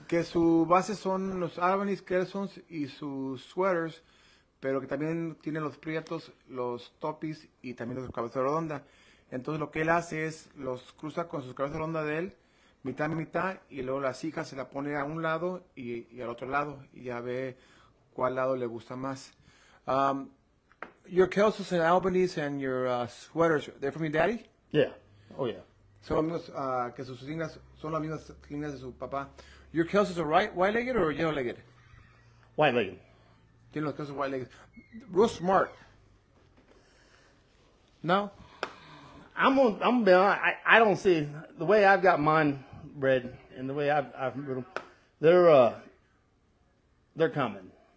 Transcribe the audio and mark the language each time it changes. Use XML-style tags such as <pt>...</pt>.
<es>Que su base son los árboles, quesos y sus sweaters, pero que también tiene los prietos, los topis y también los cabezas redondas. Entonces lo que él hace es los cruza con sus cabezas redondas de él, mitad y mitad, y luego las hijas se la pone a un lado y al otro lado, y ya ve cuál lado le gusta más.</es> <en>Your kelsos and albanese and your sweaters, they're from your daddy? Yeah. Oh, yeah.</en> <es>So, que sus líneas son las mismas líneas de su papá.</es> <en>Your kelsos are right, white-legged or yellow-legged? White-legged.</en> <es>Tiene los kelsos white-legged.</es> <en>Real smart. No? I don't see, the way I've got mine bred and the way I've bred them, they're coming.</en>